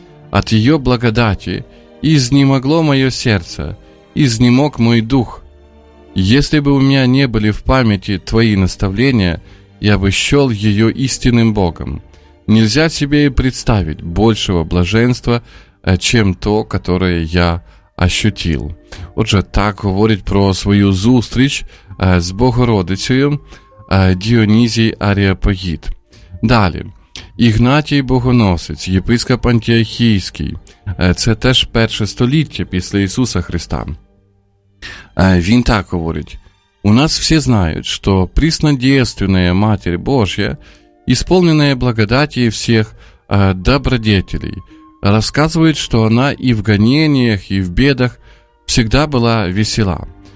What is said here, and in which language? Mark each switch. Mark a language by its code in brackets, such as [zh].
[ru] От ее благодати изнемогло мое сердце, изнемог мой дух. Если бы у меня не были в памяти твои наставления, я бы счел ее истинным Богом. Нельзя себе и представить большего блаженства, чем то, которое я ощутил. [uk] Отже, так говорить про свою зустріч с Богородицею Діонісій Аріопагіт. Далі. Ігнатій Богоносець, єпископ Антіохійський. Це теж перше століття після Ісуса Христа. Він так говорить: [ru] «У нас все знають, що Преснодійственная Матерь Божья, исполненная благодати всех добродетелей, рассказывает, что она и в гонениях, и в бедах всегда была весела,